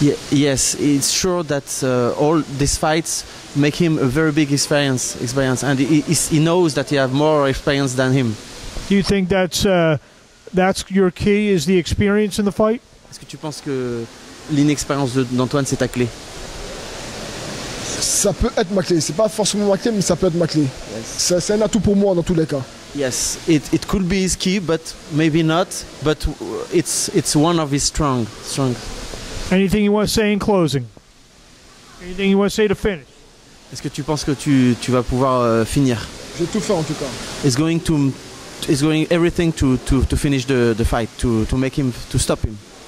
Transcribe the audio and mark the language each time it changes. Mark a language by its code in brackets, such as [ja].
[en] Yes, it's sure that all these fights make him a very big experience, and he knows that he have more experience than him. Do you think that's your key, is the experience in the fight? [fr] Est-ce que tu penses que l'inexpérience d'Antoine, c'est ta clé? Ça peut être ma clé. C'est pas forcément ma clé, mais ça peut être ma clé. [en] Yes. [fr] C'est un atout pour moi, dans tous les cas. [en] Yes, it could be his key, but maybe not. But it's one of his strong. Anything you want to say in closing? Anything you want to say to finish? [fr] Est-ce que tu penses que tu vas pouvoir finir? J'ai tout fait, en tout cas. [en] It's going everything to finish the fight, to make him, to stop him.